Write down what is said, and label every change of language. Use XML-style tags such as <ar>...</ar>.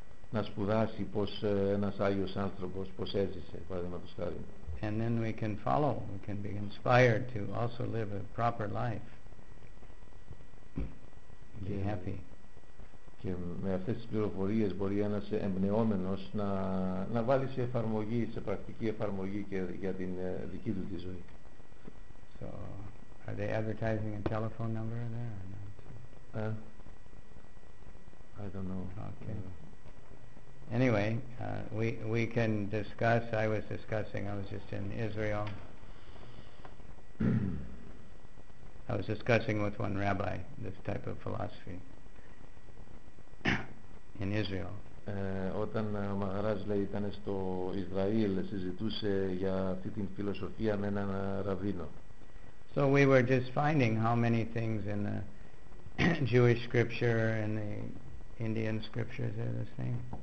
<el>Να σπουδάσει πως ένας Άγιος άνθρωπος, πως έζησε, παραδείγματος χάρη.</el> <en>And then we can follow, we can be inspired to also live a proper life. Be happy.</en> <el>Και με αυτές τις πληροφορίες μπορεί ένας εμπνεόμενος να βάλει σε εφαρμογή, σε πρακτική εφαρμογή και για την δική του τη ζωή.</el> <en>So, are they advertising a telephone number there or not? I don't know. Okay. Anyway, we can discuss. I was just in Israel. I was discussing with one rabbi this type of philosophy. In Israel.</en> <el>Όταν ο Μαχαράζ λέει ήταν στο Ισραήλ, συζητούσε για αυτή την φιλοσοφία με έναν ραβίνο.</el> <en>So we were just finding how many things in the Jewish scripture and the Indian scriptures are the same.</en>